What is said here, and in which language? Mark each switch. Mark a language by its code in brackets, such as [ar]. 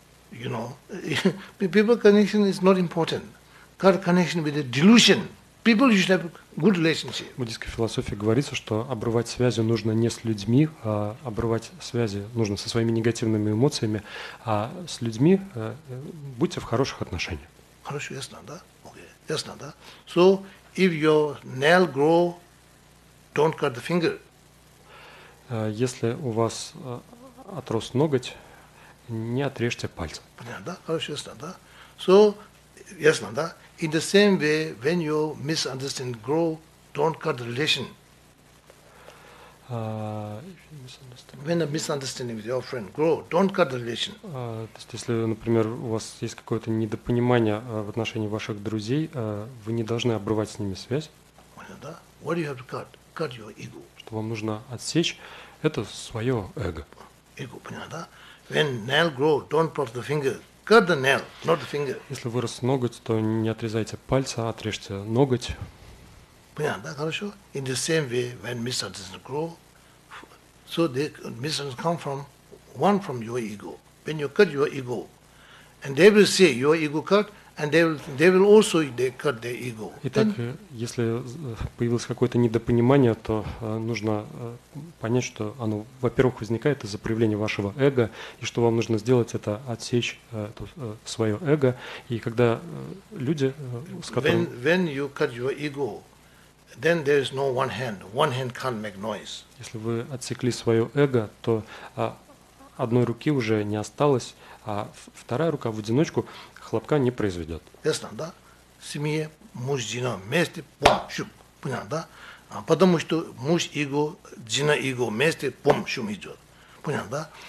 [en] You know, people connection is not important. Connection with the delusion. People should have good relationship. [ru] Буддийской философии говорится, что обрывать связи нужно не с людьми, а обрывать связи нужно со своими негативными эмоциями, а с людьми будьте в хороших отношениях. Хорошо, ясно, да? Окей, ясно, да? [en] So, if your nail grow, don't cut the finger. [ru] Если у вас отрос ноготь, не отрежьте пальцы. Понятно, да? Хорошо, ясно, да? So, ясно, да? [en] In the same way, when you misunderstand grow, don't cut the relation. If you misunderstand. When a misunderstanding with your friend grow, don't cut the relation. [ru] То есть, если, например, у вас есть какое-то недопонимание в отношении ваших друзей, вы не должны обрывать с ними связь. [en] What do you have to cut? Cut your ego. [ru] Что вам нужно отсечь, это свое эго. [en] Ego, [ru] понятно, да? [en] When nail grow, don't put the finger. Cut the nail, not the finger. [ru] Если вырос ноготь, то не отрезайте пальца, отрежьте ноготь. Понятно, да, хорошо? [en] In the same way, when misunderstanding grow, so the misunderstanding come from one from your ego. When you cut your ego, and they will see your ego cut, and they will also they cut their ego. [ru] Итак, then, если появилось какое-то недопонимание, то нужно понять, что оно, во-первых, возникает из-за проявления вашего эго, и что вам нужно сделать, это отсечь свое эго. И когда люди, с которым... [en] When you cut your ego, then there is no one hand. One hand can't make noise. [ru] Если вы отсекли свое эго, то одной руки уже не осталось, а вторая рука в одиночку хлопка не произведет. Ясно, да? Семье, муж, жена вместе, пум, шум. Понятно, да? Потому что муж, иго, жена, иго вместе, пум, шум идет. Понятно, да?